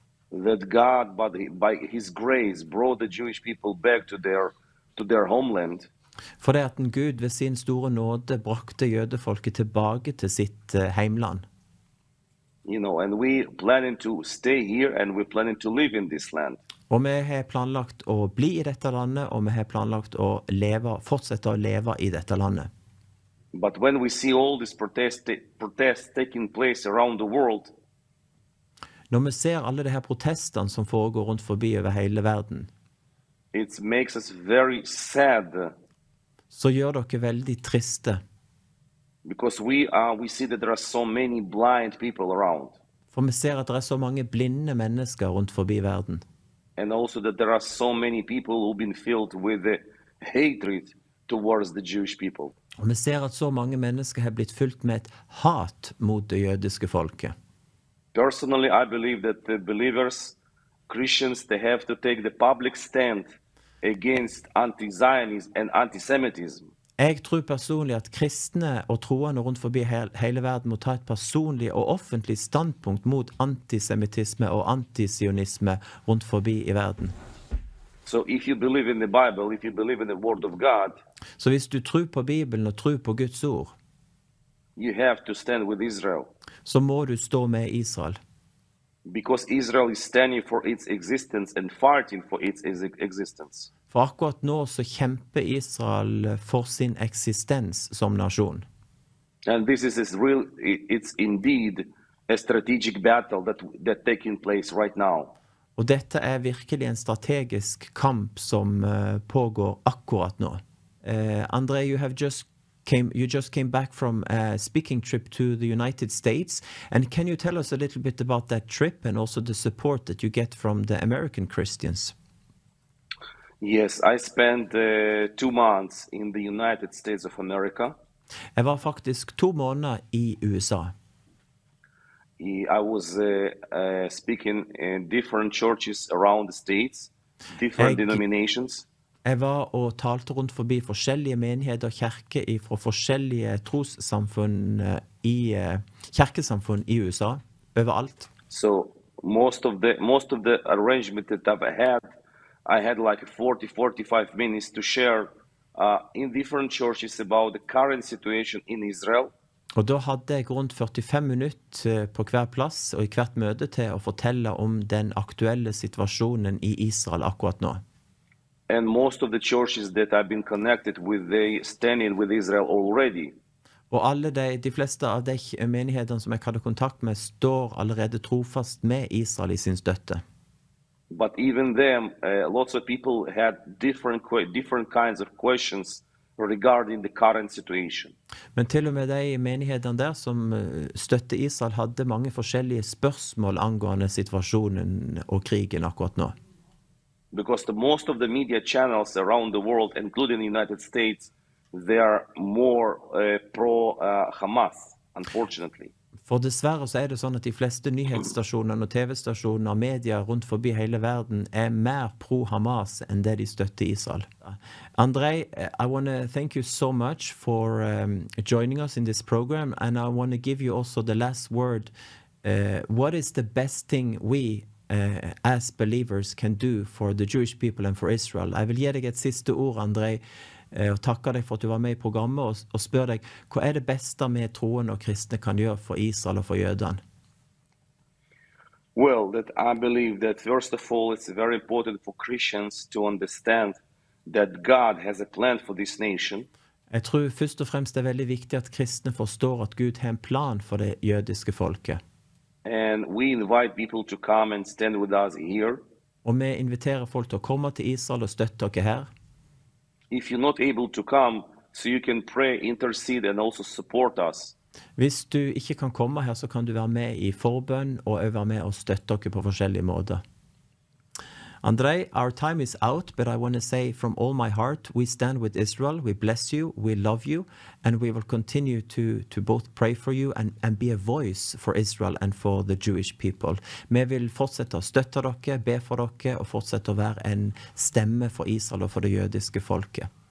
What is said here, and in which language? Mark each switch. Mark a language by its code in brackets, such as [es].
[en] That God, by his grace, brought the Jewish people back to their homeland. [no] For det at en Gud ved sin store nåde brakte jødefolket tilbake til sitt heimland. [en] You know, and we planning to stay here and we planning to live in this land. [no] Og vi har planlagt å bli i dette landet, og vi har planlagt å fortsette å leve i dette landet. [en] But when we see all these protests taking place around the world, [no] når vi ser alle de her protestene som foregår rundt forbi over hele verden, [en] it makes us very sad. [no] Så gjør dere veldig triste. [en] Because we see that there are so many blind people around. [no] For vi ser at det så mange blinde mennesker rundt forbi verden. [en] And also that there are so many people who've been filled with hatred towards the Jewish people. [no] Og vi ser at så mange mennesker har blitt fylt med et hat mot det jødiske folket. [en] Personally, I believe that the believers, Christians, they have to take the public stand against anti-Zionism and anti-Semitism. [no] Jeg tror personlig at kristne og troende rundt forbi hele verden må ta et personlig og offentlig standpunkt mot antisemitisme og antisionisme rundt forbi I verden. [en] So if you believe in the Bible, if you believe in the word of God, [no] så hvis du tror på Bibelen og tror på Guds ord, [en] you have to stand with Israel. [no] Så må du stå med Israel. [en] Because Israel is standing for its existence and fighting for its existence. [no] For akkurat nå så kjemper Israel for sin eksistens som nasjon. [en] And this is real, it's indeed a strategic battle that taking place right now. [no] Og dette virkelig en strategisk kamp som pågår akkurat nå. [en] André, you just came back from a speaking trip to the United States. And can you tell us a little bit about that trip and also the support that you get from the American Christians? Yes, I spent 2 months in the United States of America. [no] Jeg var faktisk 2 måneder I USA. [en] I was speaking in different churches around the states, different denominations. [no] Jeg var og talte rundt forbi forskjellige menigheter og kjerke fra forskjellige trossamfunn I kjerkesamfunn I USA, overalt. [en] So most of the arrangement that I had like 40-45 minutes to share in different churches about the current situation in Israel. [no] Og da hadde jeg rundt 45 minutter på hver plass og I hvert møte til å fortelle om den aktuelle situasjonen I Israel akkurat nå. [en] And most of the churches that I've been connected with, they standing with Israel already. [no] Og alle de fleste av de menighetene som jeg hadde kontakt med står allerede trofast med Israel I sin støtte. [en] But even them, lots of people had different kinds of questions regarding the current situation. [no] Men til og med de menighetene der som støtte Israel hadde mange forskjellige spørsmål angående situasjonen og krigen akkurat nå. [en] Because most of the media channels around the world, including the United States, they are more pro-Hamas, unfortunately. [no] For dessverre så det sånn at de fleste nyhetsstasjoner og TV-stasjoner og media rundt forbi hele verden mer pro-Hamas enn det de støtter Israel. [en] André, I want to thank you so much for joining us in this program, and I want to give you also the last word. What is the best thing we as believers can do for the Jewish people and for Israel? [no] I will gi deg et siste ord, André, og takke deg for at du var med I programmet og spør deg, hva det beste med troen og kristne kan gjøre for Israel og for jødene? [en] Well, that I believe that first of all, it's very important for Christians to understand that God has a plan for this nation. [no] Jeg tror først og fremst veldig viktig at kristne forstår at Gud har en plan for det jødiske folket. [en] And we invite people to come and stand with us here. [no] Og vi inviterer folk til å komme til Israel og støtte dere her. [en] If you're not able to come, so you can pray, intercede and also support us. [no] Hvis du ikke kan komme her, så kan du være med I forbønn og være med og støtte dere på forskjellige måter. [en] André, our time is out, but I want to say from all my heart, we stand with Israel, we bless you, we love you, and we will continue to both pray for you and be a voice for Israel and for the Jewish people. [no] Vi vil fortsette å støtte dere, be for dere, og fortsette å være en stemme for Israel og for det jødiske folket.